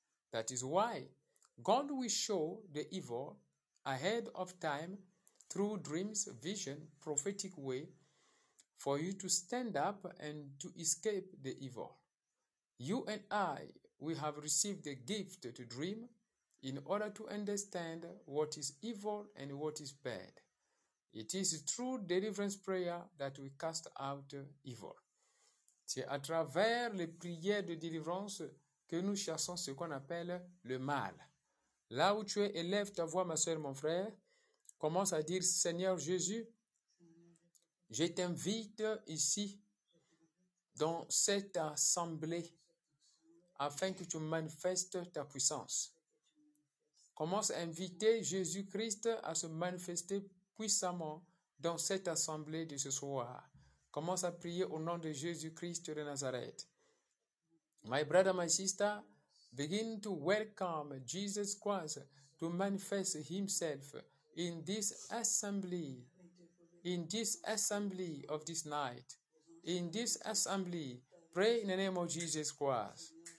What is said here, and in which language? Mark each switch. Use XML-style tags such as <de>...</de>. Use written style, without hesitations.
<en>That is why God will show the evil ahead of time through dreams, vision, prophetic way for you to stand up and to escape the evil. You and I, we have received the gift to dream in order to understand what is evil and what is bad. It is through deliverance prayer that we cast out evil.</en> <fr>C'est à travers les prières de délivrance que nous chassons ce qu'on appelle le mal. Là où tu es, élève ta voix, ma soeur, mon frère, commence à dire, Seigneur Jésus, je t'invite ici, dans cette assemblée, afin que tu manifestes ta puissance. Commence à inviter Jésus-Christ à se manifester puissamment dans cette assemblée de ce soir. Commence à prier au nom de Jésus-Christ de Nazareth.</fr> <en>My brother, my sister, begin to welcome Jesus Christ to manifest himself in this assembly of this night, in this assembly. Pray in the name of Jesus Christ.</en>